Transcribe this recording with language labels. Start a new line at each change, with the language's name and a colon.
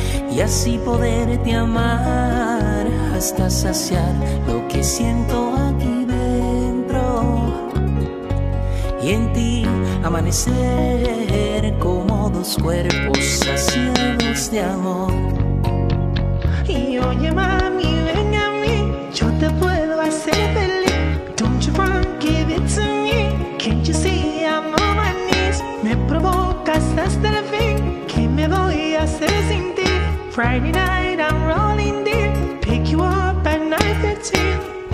Spanish: y así poderte amar hasta saciar lo que siento aquí dentro y en ti amanecer como dos cuerpos saciados de amor. Y oye, mami, ven a mí, yo te puedo hacer feliz.
English: Don't you want to give it to me? Can't you see I'm on my knees?
Spanish: Me provocas hasta el fin, ¿qué me voy a hacer sin ti?
English: Friday night I'm rolling deep, pick you up at 9:15.